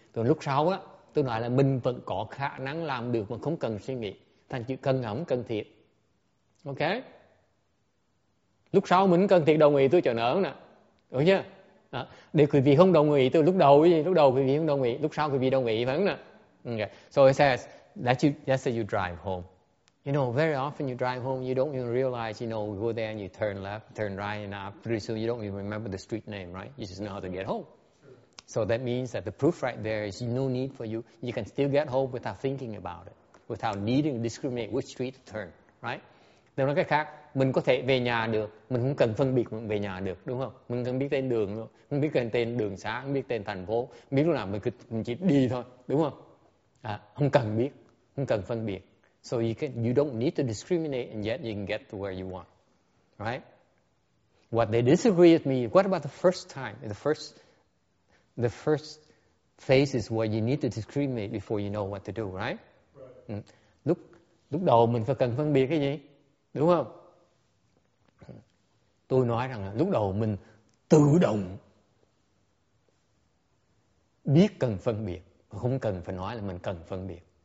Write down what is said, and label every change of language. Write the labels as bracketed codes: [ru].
[vi] Rồi lúc sau á, tôi nói là mình vẫn có khả năng làm được mà không cần suy nghĩ. Thành chữ cần không cần thiệt. Ok. Lúc sau mình cần thiệt đồng ý tôi chờ nở nè. Được chưa? À, để quý vị không đồng ý tôi lúc đầu quý vị không đồng ý, lúc sau quý vị đồng ý vẫn nè. [en] Okay. So it says that you drive home. You know, very often you drive home, you don't even realize, you know, you go there and you turn left, turn right, and up. Pretty soon you don't even remember the street name, right? You just know how to get home. So that means that the proof right there is no need for you. You can still get home without thinking about it, without needing to discriminate which street to turn, right? [vi] Nói cách khác, mình có thể về nhà được, mình không cần phân biệt về nhà được, đúng không? Mình không biết tên đường, không biết tên đường xá, không biết tên thành phố, không biết lúc nào mình chỉ đi thôi, đúng không? À, không cần biết, không cần phân biệt. [en] So you don't need to discriminate and yet you can get to where you want. Right? What they disagree with me, what about the first time? The first phase is where you need to discriminate before you know what to do, right? Right. [vi] Lúc đầu mình phải cần phân biệt cái gì? Đúng không? Tôi nói rằng là lúc đầu mình tự động biết cần phân biệt. Không cần phải nói là mình cần phân biệt.